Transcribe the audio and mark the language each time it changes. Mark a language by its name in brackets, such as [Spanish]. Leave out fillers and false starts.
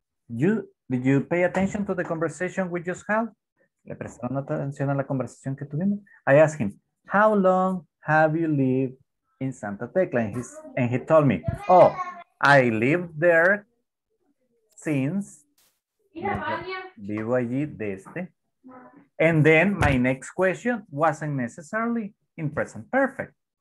[English] Did you pay attention to the conversation we just had? [Spanish] ¿Le prestaron atención a la conversación que tuvimos? [English] I asked him, how long have you lived in Santa Tecla? And he told me, oh, I lived there since... [Spanish] Vivo allí desde. [English] And then my next question wasn't necessarily in present perfect.